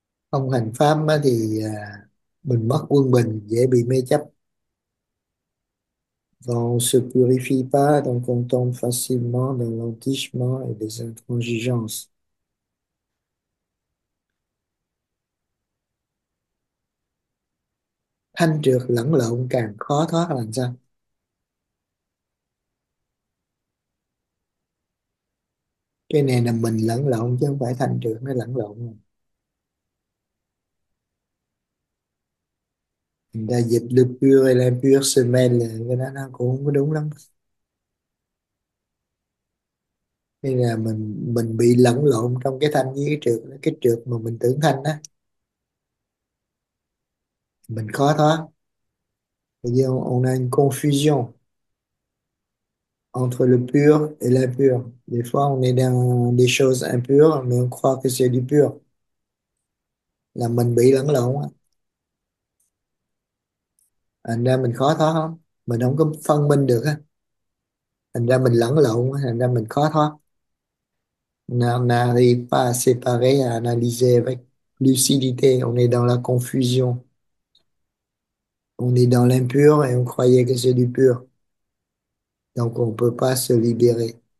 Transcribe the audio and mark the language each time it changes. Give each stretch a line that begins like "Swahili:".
Vietnamese: Không hành pháp thì mình mất quân bình, dễ bị mê chấp.
French: On se purifie pas, donc on tombe facilement dans l'entichement et des intransigeances.
Vietnamese: Thanh trược lẫn lộn càng khó thoát là sao? Cái này là mình lẫn lộn chứ không phải thanh trược nó lẫn lộn. Người ta dịch
French: le pur et l'impur se mêlent
Vietnamese: là cái đó nó cũng không có đúng lắm. Nên là mình bị lẫn lộn trong cái thanh với cái trượt mà mình tưởng thanh á. Mình khó thoát.
French: On a une confusion entre le pur et l'impur. Des fois, on est dans des choses impures, mais on croit que c'est du pur.
Vietnamese: Là mình bị lẫn lộn á. Thành ra mình khó thoát lắm, mình không có phân minh được á, thành ra mình lẫn lộn, thành ra mình khó thoát.
French: N'arrive pas à séparer, à analyser avec lucidité. On est dans la confusion, on est dans l'impur et on croyait que c'est du pur, donc on peut pas se libérer.